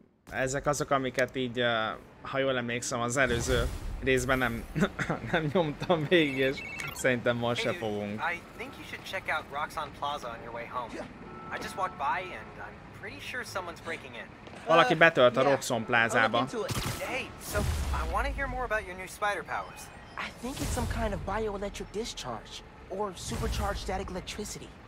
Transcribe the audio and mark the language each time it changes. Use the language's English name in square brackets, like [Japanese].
[Hungarian] Ezek azok, amiket így, ha jól emlékszem, az előző részben nem nyomtam végig, és szerintem most se fogunk. [English] I think you should check out Roxxon Plaza on your way home. I just walked by and I'm pretty sure someone's breaking in. [Hungarian] Valaki betölt a Roxxon plázába. [English] Hey, so I want to hear more about your new spider powers. I think it's some kind of bioelectric discharge or supercharged static electricity.